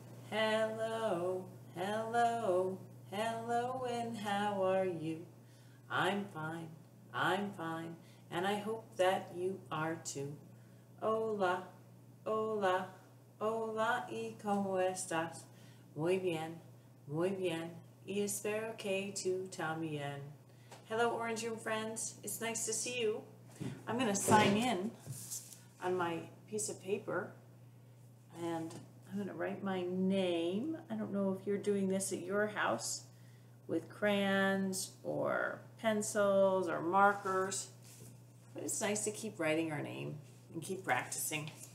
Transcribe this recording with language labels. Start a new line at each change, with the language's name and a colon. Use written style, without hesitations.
English: Hello, hello, hello, and how are you? I'm fine, and I hope that you are too.
Spanish: Hola, hola, hola, y cómo estás? Muy bien, y espero que tú también.
English: Hello, Orange Room friends. It's nice to see you. I'm going to sign in on my piece of paper, and I'm going to write my name. I don't know if you're doing this at your house with crayons or pencils or markers, but it's nice to keep writing our name and keep practicing.